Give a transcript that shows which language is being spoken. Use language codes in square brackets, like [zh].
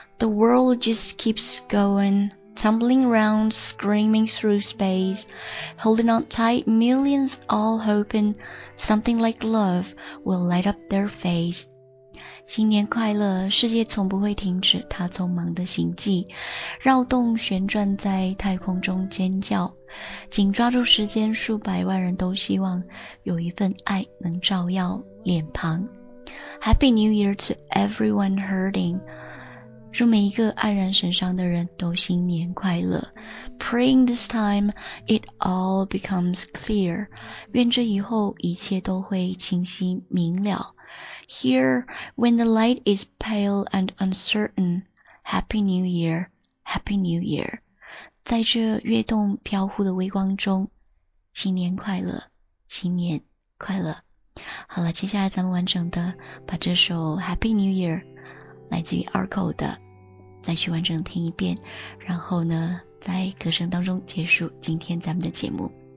[en] The world just keeps going, tumbling round, screaming through space, holding on tight, millions all hoping something like love will light up their face. [zh] 新年快乐，世界从不会停止它匆忙的行迹，绕动旋转在太空中尖叫，紧抓住时间，数百万人都希望有一份爱能照耀脸庞。 [en] Happy New Year to everyone hurting， [zh] 祝每一个黯然神伤的人都新年快乐。 [en] Praying this time it all becomes clear， [zh] 愿这以后一切都会清晰明了。 [en] Here, when the light is pale and uncertain, Happy New Year, Happy New Year. [zh] 在这跃动飘忽的微光中，新年快乐，新年快乐。好了，接下来咱们完整的把这首 Happy New Year 来自于 Arco 的再去完整听一遍，然后呢，在歌声当中结束今天咱们的节目。